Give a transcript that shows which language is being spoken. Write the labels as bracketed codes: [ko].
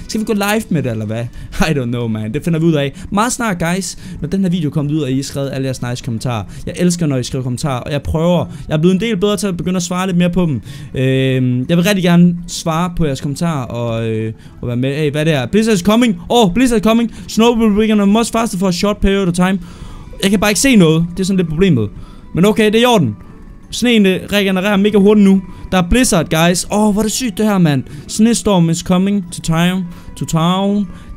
[da] Skal vi gå live med det, eller hvad? [en] I don't know, man. [da] Det finder vi ud af meget snart, guys. Når den her video kommer ud, og I skrevet alle jeres nice kommentarer. Jeg elsker, når I skriver kommentarer, og jeg prøver. Jeg er blevet en del bedre til at begynde at svare lidt mere på dem. Jeg vil rigtig gerne svare på jeres kommentarer, og være med. [en] Hey, [da] hvad det er? [en] Blizzard is coming. Oh, Blizzard is coming. Snowball breaking much faster for a short period of time. [da] Jeg kan bare ikke se noget. Det er sådan lidt problemet. Men okay, det er i orden. Sneen regenererer mega hurtigt nu. Der er blizzard, guys. Åh, hvor er det sygt det her, mand. [en] Snestorm is coming to town.